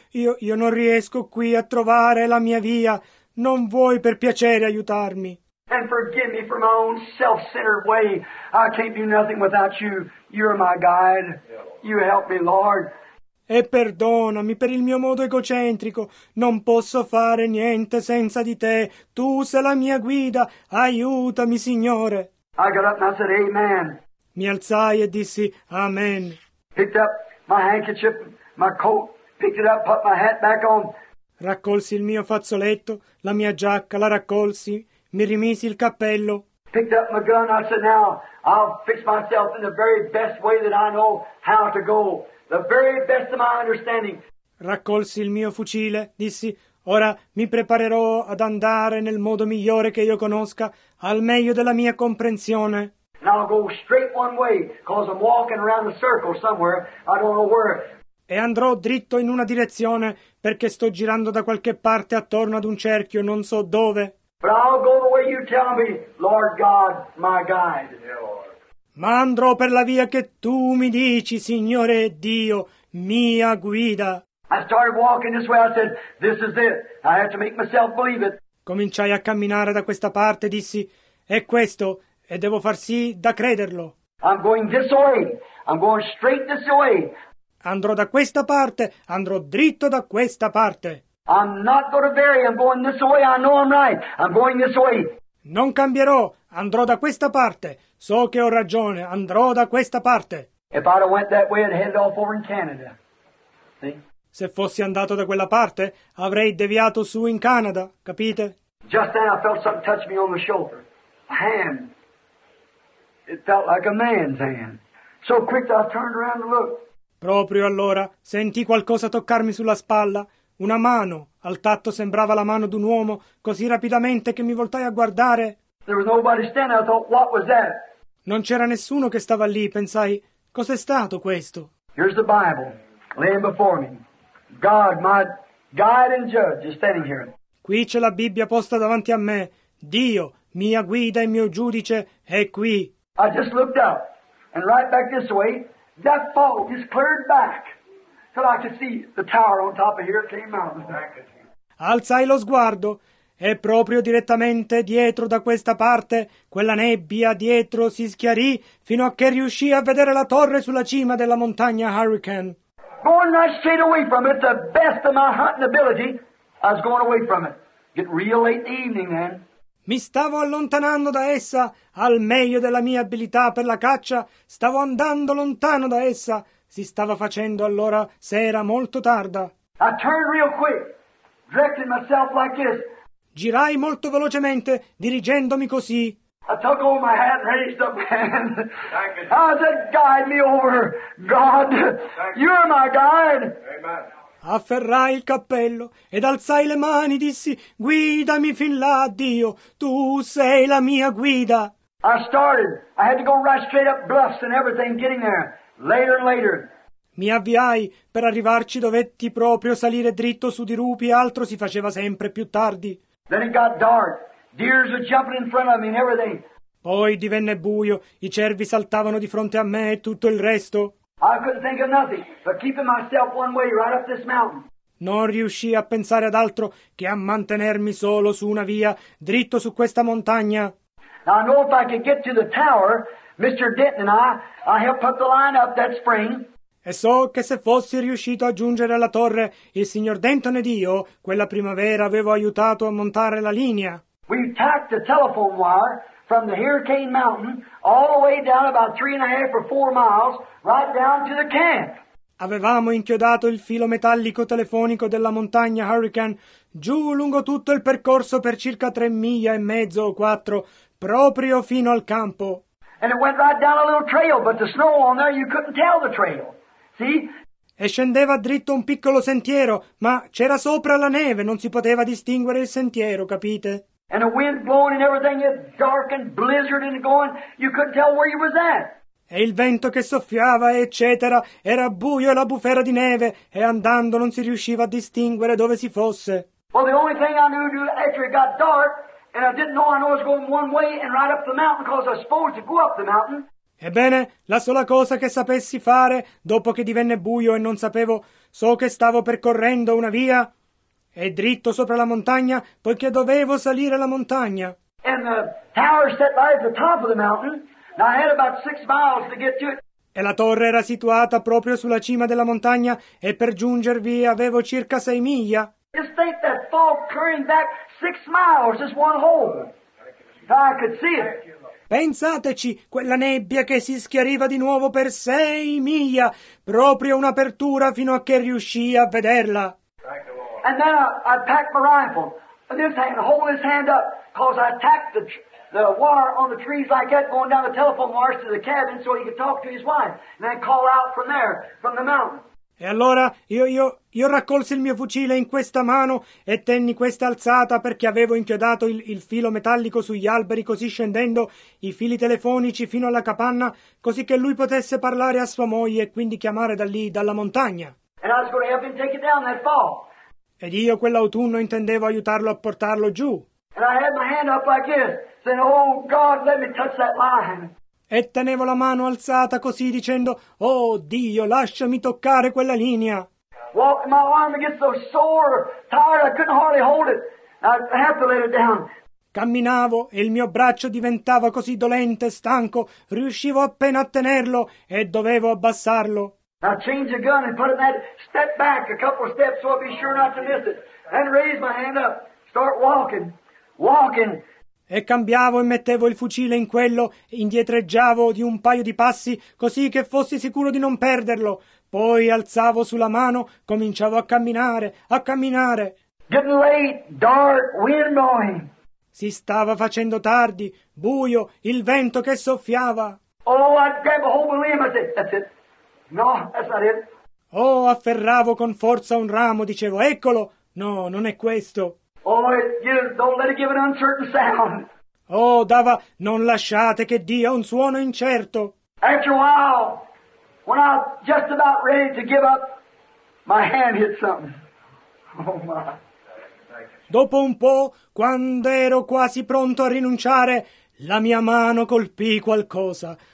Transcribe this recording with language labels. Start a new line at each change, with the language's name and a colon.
Italian: Io non riesco qui a trovare la mia via. Non vuoi per piacere aiutarmi?
English: And forgive me for my own self-centered way. I can't do nothing without you. You're my guide. You help me, Lord.
Italian: E perdonami per il mio modo egocentrico. Non posso fare niente senza di te. Tu sei la mia guida. Aiutami, Signore.
English: I got up and I said, Amen.
Italian: Mi alzai e dissi, Amen.
English: Picked up my handkerchief, my coat, picked it up, put my hat back on.
Italian: Raccolsi il mio fazzoletto, la mia giacca, la raccolsi, mi rimisi il cappello.
English: Picked up my gun, I said, now I'll fix myself in the very best way that I know how to go. The very best of my understanding.
Italian: Raccolsi il mio fucile, dissi, ora mi preparerò ad andare nel modo migliore che io conosca, al meglio della mia comprensione.
English: And I'll go straight one way, cause I'm walking around the circle somewhere, I don't know where.
Italian: E andrò dritto in una direzione, perché sto girando da qualche parte attorno ad un cerchio, non so dove.
English: But I'll go the way you tell me, Lord God, my guide.
Italian: Ma andrò per la via che tu mi dici, Signore Dio, mia guida.
English: I started walking this way, I said, this is it. I have to make myself believe it.
Italian: Cominciai a camminare da questa parte, dissi, è questo, e devo far sì da crederlo.
English: I'm going this way, I'm going straight this way.
Italian: Andrò da questa parte, andrò dritto da questa parte.
English: I'm not going to vary, I'm going this way, I know I'm right, I'm going this way.
Italian: Non cambierò, andrò da questa parte. So che ho ragione, andrò da questa parte.
English: If I'd have went that way, I'd headed off over in Canada. See?
Italian: Se fossi andato da quella parte, avrei deviato su in Canada, capite?
English: Just then I felt something touch me on the shoulder. A hand. It felt like a man's hand. So quick I turned around to look.
Italian: Proprio allora sentii qualcosa toccarmi sulla spalla. Una mano. Al tatto sembrava la mano d'un uomo, così rapidamente che mi voltai a guardare.
English: There was nobody standing. I thought, what was that?
Italian: Non c'era nessuno che stava lì, pensai, cos'è stato questo?
English: Here's the Bible, laying before me. God, my guide and judge, is standing here.
Italian: Qui c'è la Bibbia posta davanti a me. Dio, mia guida e mio giudice, è qui.
English: I just looked up, and right back this way, that fog just cleared back. So I could see the tower on top of here came out.
Italian: alzai lo sguardo e proprio direttamente dietro da questa parte quella nebbia dietro si schiarì fino a che riuscì a vedere la torre sulla cima della montagna Hurricane.
English: Going right straight away from it, the best of my hunting ability, I was going away from it. Get real late in the evening then.
Italian: Mi stavo allontanando da essa al meglio della mia abilità per la caccia, stavo andando lontano da essa, si stava facendo allora sera molto tarda.
English: I turned real quick, directing myself like this.
Italian: Girai molto velocemente, dirigendomi così.
English: I took off my hat and raised up my hand. I said, guide me over, God, you're my guide. Amen.
Italian: Afferrai il cappello ed alzai le mani, dissi, guidami fin là, Dio, tu sei la mia guida.
English: I started, I had to go right straight up bluffs and everything, getting there, later and later.
Italian: Mi avviai, per arrivarci dovetti proprio salire dritto su di rupi, altro si faceva sempre più tardi.
English: Then it got dark, deers were jumping in front of me and everything.
Italian: Poi divenne buio, i cervi saltavano di fronte a me e tutto il resto.
English: I couldn't think of nothing but keeping myself one way right up this mountain.
Italian: Non riuscii a pensare ad altro che a mantenermi solo su una via, dritto su questa montagna.
English: Now I know if I could get to the tower, Mr. Denton and I helped put the line up that spring.
Italian: E so che se fossi riuscito a giungere alla torre, il signor Denton ed io, quella primavera, avevo aiutato a montare la linea.
English: We tacked the telephone wire from the Hurricane Mountain all the way down about 3.5 or 4 miles. Right down to the camp.
Italian: Avevamo inchiodato il filo metallico telefonico della montagna Hurricane giù lungo tutto il percorso per circa 3.5 miglia o 4, proprio fino al campo.
English: And it went right down a little trail, but the snow on there you couldn't tell the trail. See?
Italian: E scendeva dritto un piccolo sentiero, ma c'era sopra la neve, non si poteva distinguere il sentiero, capite?
English: And the wind blowing and everything, it darkened, blizzard and going, you couldn't tell where you was at.
Italian: E il vento che soffiava, eccetera, era buio e la bufera di neve, e andando non si riusciva a distinguere dove si fosse.
English: Well, the only thing I knew after it got dark, and I didn't know I was going one way and right up the mountain, because I was supposed to go up the mountain.
Italian: Ebbene, la sola cosa che sapessi fare, dopo che divenne buio e non sapevo, so che stavo percorrendo una via, e dritto sopra la montagna, poiché dovevo salire la montagna.
English: And the tower set right at the top of the mountain. I had about 6 miles to get to it.
Italian: E la torre era situata proprio sulla cima della montagna e per giungervi avevo circa 6 miglia.
English: Just think that fog curling back 6 miles, just one hole. If I could see it.
Italian: Pensateci, quella nebbia che si schiariva di nuovo per 6 miglia, proprio un'apertura fino a che riuscii a vederla.
English: And then I packed my rifle and this hand, hold his hand up, cause I attacked the wire on the trees like that, going down the telephone wires to the cabin so he could talk to his wife, and then call out from there, from the mountain.
Italian: E allora io raccolsi il mio fucile in questa mano e tenni questa alzata perché avevo inchiodato il filo metallico sugli alberi, così scendendo i fili telefonici fino alla capanna, così che lui potesse parlare a sua moglie e quindi chiamare da lì, dalla montagna.
English: And I was going to help him take it down that fall.
Italian: Ed io quell'autunno intendevo aiutarlo a portarlo giù.
English: And I had my hand up like this. Said, oh God, let me touch that line.
Italian: E tenevo la mano alzata così dicendo, oh Dio, lasciami toccare quella linea.
English: Walk my arm against so sore, tired, I couldn't hardly hold it. I had to let it down.
Italian: Camminavo e il mio braccio diventava così dolente, stanco, riuscivo appena a tenerlo e dovevo abbassarlo.
English: I changed the gun and put it in that step back a couple of steps so I'll be sure not to miss it. And raise my hand up. Start walking. Walking.
Italian: E cambiavo e mettevo il fucile in quello, indietreggiavo di un paio di passi, così che fossi sicuro di non perderlo. Poi alzavo sulla mano, cominciavo a camminare, a camminare.
English: Getting late, dark, wind blowing.
Italian: Si stava facendo tardi, buio, il vento che soffiava.
English: Oh, I'd grab a hold of a limb, I said, that's it. No, that's not it.
Italian: Oh, afferravo con forza un ramo, dicevo, eccolo. No, non è questo.
English: Oh, don't let it give an uncertain sound.
Italian: Oh, dava, non lasciate che dia un suono incerto.
English: After a while, when I was just about ready to give up, my hand hit something. Oh, my.
Italian: Dopo un po', quando ero quasi pronto a rinunciare, la mia mano colpì qualcosa.